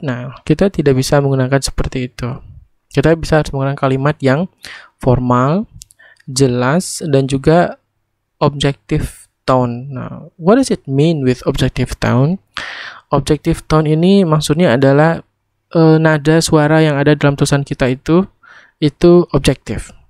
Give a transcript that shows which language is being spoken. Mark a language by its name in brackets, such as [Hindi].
[Indonesian] Nah, kita tidak bisa menggunakan seperti itu. Kita bisa menggunakan kalimat yang formal, jelas, dan juga objective tone. [English] Nah, what does it mean with objective tone? [Indonesian] Objective tone ini maksudnya adalah nada suara yang ada dalam tulisan kita itu objektif.